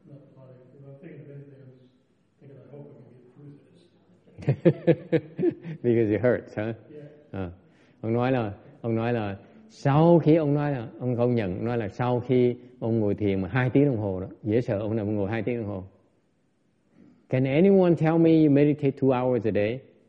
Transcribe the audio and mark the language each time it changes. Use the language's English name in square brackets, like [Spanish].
[English] If I'm thinking of anything, I'm just thinking, I hope I can get through this. Because it hurts, huh? Yeah. [Vietnamese] Ông nói là, sau khi ông nói là, ông không nhận, ông nói là sau khi ông ngồi thiền mà 2 tiếng đồng hồ đó, dễ sợ ông nằm ngồi 2 tiếng đồng hồ. [English] Can anyone tell me you meditate 2 hours a day?